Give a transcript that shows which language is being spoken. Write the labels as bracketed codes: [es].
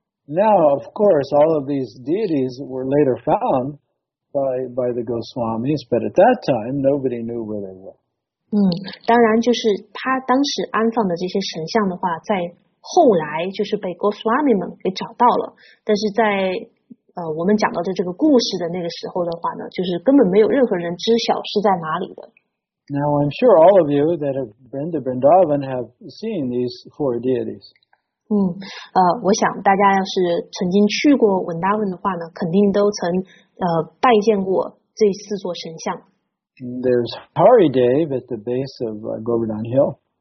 [en] Now, of course, all of these deities were later found by the Goswamis, but at that time, nobody knew where they were. [zh] 当然就是他当时安放的这些神像的话，在后来就是被 Goswami 们给找到了，但是在我们讲到的这个故事的那个时候的话呢，就是根本没有任何人知晓是在哪里的。 [en] Now I'm sure all of you that have been to Vrindavan have seen these four deities. [zh] 我想大家要是曾经去过 Vrindavan 的话呢，肯定都曾拜见过这四座神像。 [en] There's Haridev at the base of Govardhan Hill.